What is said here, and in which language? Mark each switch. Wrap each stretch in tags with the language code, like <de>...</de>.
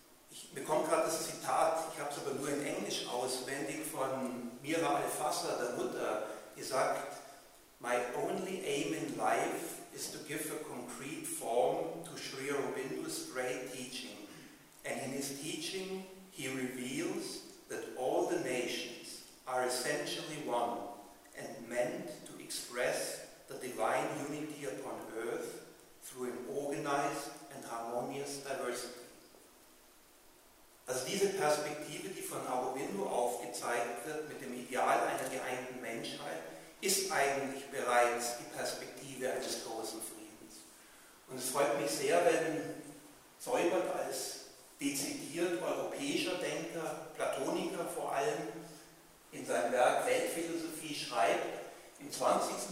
<de>Ich bekomme gerade das Zitat, ich habe es aber nur in Englisch auswendig, von Mira Al-Fasser, der Mutter, die sagt:</de> <en>"My only aim in life is to give a concrete form to Sri Aurobindo's great teaching. And in his teaching he reveals that all the nations are essentially one and meant to express the divine unity upon earth through an organized and harmonious diversity."</en> <de>Also diese Perspektive, die von Aurobindo aufgezeigt wird mit dem Ideal einer geeinten Menschheit, ist eigentlich bereits die Perspektive eines großen Friedens. Und es freut mich sehr, wenn Seubert als dezidiert europäischer Denker, Platoniker vor allem, in seinem Werk Weltphilosophie schreibt: "Im 20.</de>